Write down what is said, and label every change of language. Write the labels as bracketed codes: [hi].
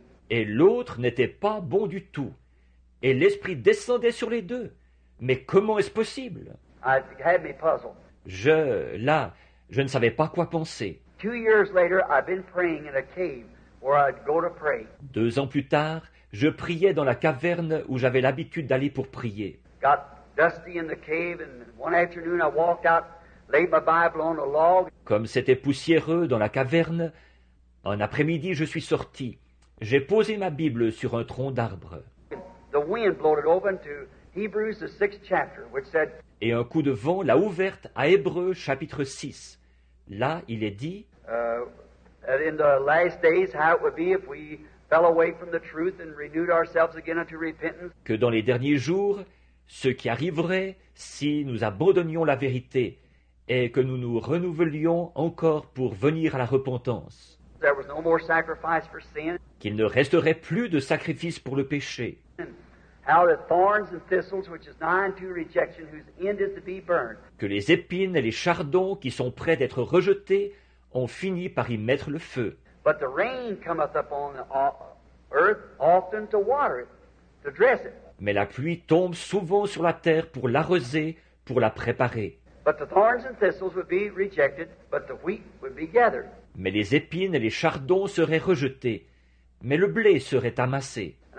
[fr] Et l'autre n'était pas bon du tout. Et l'esprit descendait sur les deux. Mais comment est-ce possible? [en] It had me puzzled. [fr] Je ne savais pas quoi penser. [en] 2 years later, I've been praying in a cave where I'd go to pray. [fr] 2 ans plus tard, je priais dans la caverne où j'avais l'habitude d'aller pour prier. [en] Got dusty in the cave, and one afternoon I walked out, laid my Bible on a log. [fr] Comme c'était poussiéreux dans la caverne, un après-midi je suis sorti. J'ai posé ma Bible sur un tronc d'arbre. [en] The wind blew it open to Hebrews, the 6th chapter, which said. [fr] Et un coup de vent l'a ouverte à Hébreux chapitre 6. Là, il est dit [en] In the last days, how it would be if we fell away from the truth and renewed ourselves again unto repentance. [fr] Que dans les derniers jours, ce qui arriverait si nous abandonnions la vérité et que nous nous renouvelions encore pour venir à la repentance. [en] There was no more sacrifice for sin. [fr] Qu'il ne resterait plus de sacrifice pour le péché. [en] How the thorns and thistles, which is nigh unto rejection, whose end is to be burned. [fr] Que les épines et les chardons qui sont prêts d'être rejetés ont fini par y mettre le feu. [en] But the rain cometh upon the earth often to water it, to dress it. [fr] Mais la pluie tombe souvent sur la terre pour l'arroser, pour la préparer. [en] But the thorns and thistles would be rejected, but the wheat would be gathered. [fr] Mais les épines et les chardons seraient rejetés, mais le blé serait amassé.